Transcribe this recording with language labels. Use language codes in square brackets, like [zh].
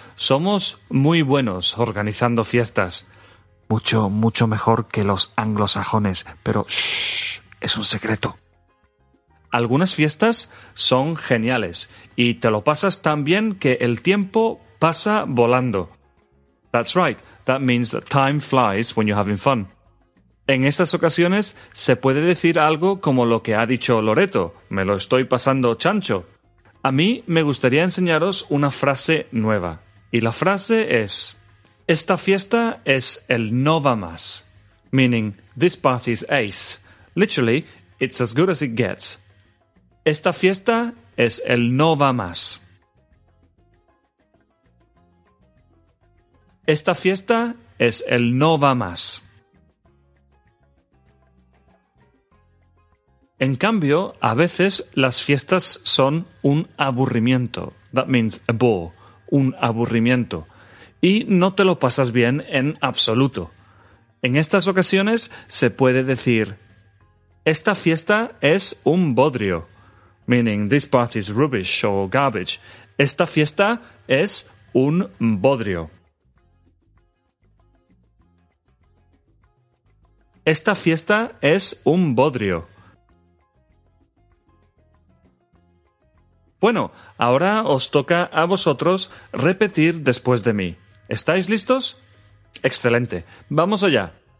[es] Somos muy buenos organizando fiestas. Mucho, mucho mejor que los anglosajones, pero ¡shh! Es un secreto. Algunas fiestas son geniales y te lo pasas tan bien que el tiempo pasa volando. [en] That's right, that means that time flies when you're having fun. [es] En estas ocasiones se puede decir algo como lo que ha dicho Loreto, me lo estoy pasando chancho. A mí me gustaría enseñaros una frase nueva. Y la frase es, esta fiesta es el no va más. [en] Meaning, this party's ace. Literally, it's as good as it gets. [es] Esta fiesta es el no va más. Esta fiesta es el no va más. En cambio, a veces las fiestas son un aburrimiento. [en] That means a bore, [es] un aburrimiento. Y no te lo pasas bien en absoluto. En estas ocasiones se puede decir, esta fiesta es un bodrio. [en] Meaning, this party is rubbish or garbage. [es] Esta fiesta es un bodrio. Esta fiesta es un bodrio. Bueno, ahora os toca a vosotros repetir después de mí. ¿Estáis listos? Excelente. Vamos allá.